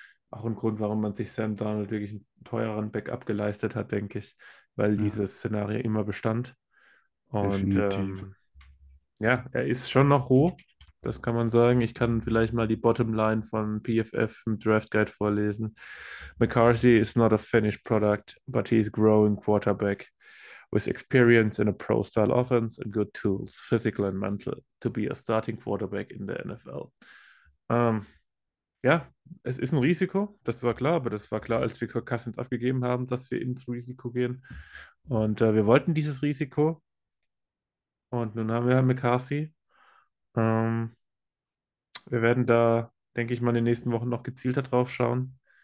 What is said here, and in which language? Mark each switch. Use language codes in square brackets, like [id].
[de] Auch ein Grund, warum man sich Sam Darnold wirklich einen teureren Backup geleistet hat, denke ich, weil Ja. dieses Szenario immer bestand. Und Definitiv. ja, er ist schon noch roh, das kann man sagen. Ich kann vielleicht mal die Bottomline von PFF im Draft Guide vorlesen. [en] McCarthy is not a finished product, but he is growing quarterback. With experience in a pro-style offense and good tools, physical and mental, to be a starting quarterback [de] in der NFL. Ja, es ist ein Risiko, das war klar, aber das war klar, als wir Kirk Cousins abgegeben haben, dass wir ins Risiko gehen. Und wir wollten dieses Risiko. Und nun haben wir Herrn McCarthy. Wir werden da, denke ich mal, in den nächsten Wochen noch gezielter drauf schauen.